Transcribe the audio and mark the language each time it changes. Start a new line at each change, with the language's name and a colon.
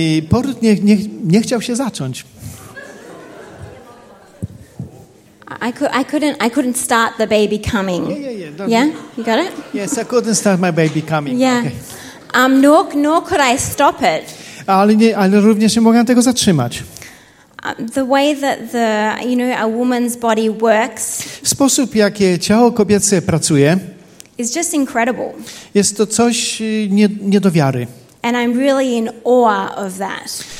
Polish: Poród nie chciał się zacząć.
English: I couldn't start the baby coming. Yeah. You got it? Yes, I couldn't start my baby coming. Yeah. Okay. Nor could I stop it.
Polish: Ale również nie mogłam tego zatrzymać.
English: The way that the, you know, a woman's body works.
Polish: Sposób, jakie ciało kobiece pracuje,
English: is just incredible.
Polish: Jest to coś nie do wiary.
English: And I'm really in awe of that.